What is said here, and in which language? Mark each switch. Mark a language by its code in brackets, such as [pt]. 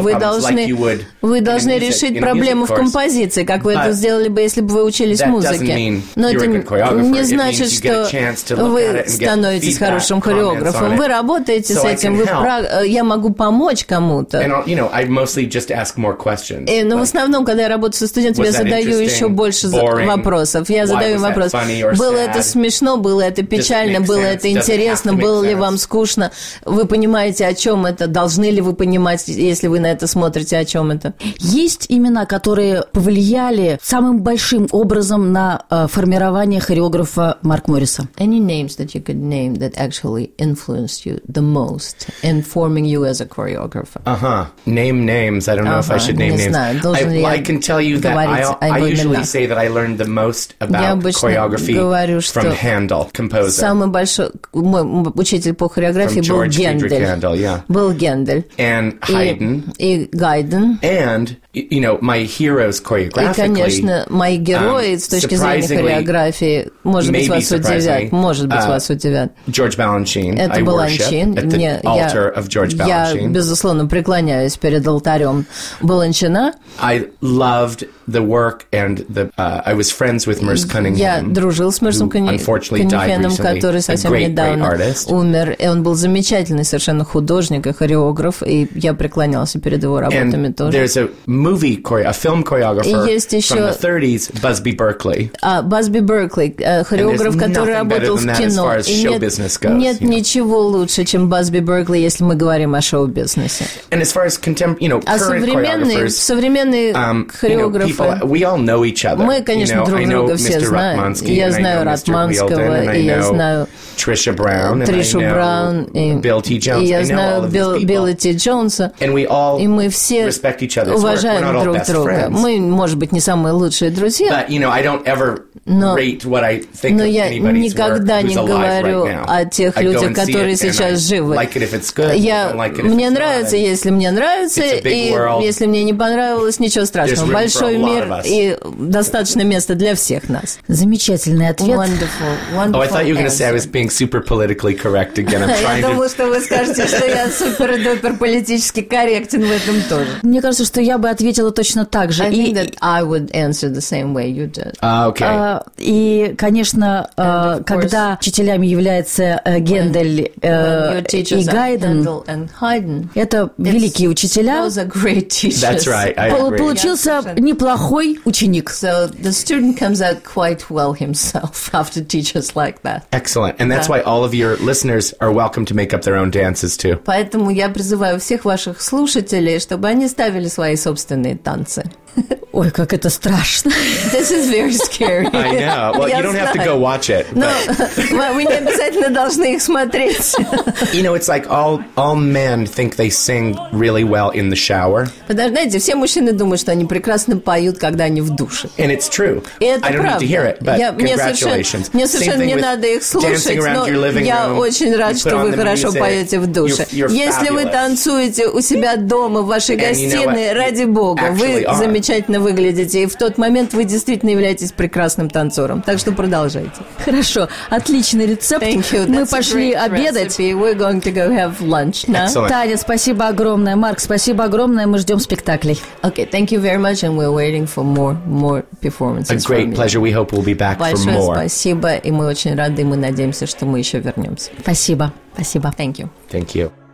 [ru] Вы должны решить проблему в композиции, как вы это сделали бы, если бы вы учились музыке. Но это не значит, что вы становитесь хорошим хореографом. Вы работаете [en] so [ru] с этим, я могу помочь кому-то. [en] You know, I mostly just ask more questions. [ru] И, но в основном, когда я работаю со студентами, я задаю еще больше вопросов. Я задаю им вопрос, было это смешно, было это печально, было это интересно, было ли вам скучно? Вы понимаете, о чем это? Должны ли вы понимать, если вы на это смотрите, о чем это? Есть имена, которые повлияли самым большим образом на формирование хореографа Марк Морриса? [en] Any names that you could name that actually influenced influenced you the most in forming you as a choreographer? Uh-huh. Name names. I don't know if I should name names. I can тell you that I usually say that I learned the most about choreography from Handel, composer. [ru] Самый большой мой учитель по хореографии был Гендель. [en] Handel, yeah. [ru] Был Гендель. [en] And Haydn. [ru] И Гайден. [en] And, you know, my heroes choreographically. [ru] И, конечно, мои герои с точки зрения хореографии, может быть, вас удивят. Может быть, вас удивят. [en] George Balanchine. [ru] Это Balanchine. [en] Altar of George Balanchine. [ru] Я, безусловно, преклоняюсь перед алтарем Balanchine. [en] I loved the work and the... I was friends with Merce Cunningham. [ru] Я дружил с Мерсом Кунингемом, который совсем недавно умер. И он был замечательный совершенно художник и хореограф, и я преклонялся перед его работами [en] and [ru] тоже. [en] There's a film choreographer from the 30s, Busby Berkeley. [ru] Busby Berkeley, хореограф, который работал в кино. [en] As far as show-business goes, [ru] нет ничего лучше, чем Busby Berkeley, если мы говорим о шоу-бизнесе. [en] And as far as [ru] современные хореографы, [en] you know, people, we all know each other. [ru] Мы, конечно, [en] you know, [ru] друг друга все знаем. Я знаю Ратманского, и я знаю Тришу Браун, и я знаю Билла Ти Джонса. И мы все [en] respect each other's [ru] уважаем [en] work. [ru] Друг друга. [en] Friends. [ru] Мы, может быть, не самые лучшие друзья, [en] but, you know, I don't ever rate what I think [ru] но я никогда не говорю о тех людях, которые сейчас живы. Мне нравится, если мне нравится, и если мне не понравилось, ничего страшного. Большой мир и достаточно места для всех нас. Замечательный ответ. [en] Wonderful, wonderful. Oh, I thought you were going to say I was being super politically correct again. I'm trying [ru] Я думала, что вы скажете, что я супер-дупер политически корректен в этом тоже. Мне кажется, что я бы ответила точно так же. [en] I think that I would answer the same way you did. Okay. [ru] И, конечно, когда учителями является Гендель и Гайден, это великие учителя. [en] Those are great teachers. That's right, I agree. [ru] Получился неплохой ученик. [en] So the student comes out quite well himself after teachers like that. Excellent. And that's why all of your listeners are welcome to make up their own dances too. [ru] Поэтому я призываю всех ваших слушателей, чтобы они ставили свои собственные танцы. Ой, как это страшно. [en] This is very scary. I know. Well, you don't have to go watch it. [ru] Но мы не обязательно должны их смотреть. [en] You know, it's like all men think they sing really well in the shower. [ru] Подождите, все мужчины думают, что они прекрасно поют, когда они в душе. [en] And it's true. [ru] И это правда. [en] I don't need to hear it, but congratulations. [ru] Мне совершенно не надо их слушать, но я очень рад, что вы хорошо поете в душе. Если вы танцуете у себя дома, в вашей гостиной, ради бога, вы замечательно выглядите, и в тот момент вы действительно являетесь прекрасным танцором. Так что продолжайте. Хорошо, отличный рецепт. [en] Thank you. [ru] Мы пошли обедать. [en] We're going to go have lunch now. Excellent. [ru] Таня, спасибо огромное. Марк, спасибо огромное. Мы ждем спектаклей. [en] Okay, thank you very much, and we're waiting for more performances. A great pleasure. We hope we'll be back [ru] большое [en] for more. [ru] Большое спасибо, и мы очень рады, и мы надеемся, что мы еще вернемся. Спасибо, спасибо. [en] Thank you. Thank you.